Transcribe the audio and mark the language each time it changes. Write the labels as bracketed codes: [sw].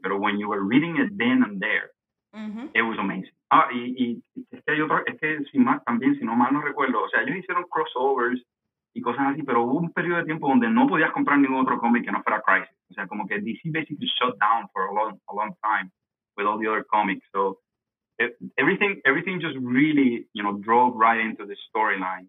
[es] Pero [en] when you were reading it then and there, it was amazing. [es] Ah, y es que hay otro, es que sin más, también, si no mal no recuerdo, o sea, ellos hicieron crossovers y cosas así, pero hubo un periodo de tiempo donde no podías comprar ningún otro cómic que no fuera Crisis. O sea, como que [en] DC basically shut down for a long time with all the other comics. So everything just really, you know, drove right into the storyline.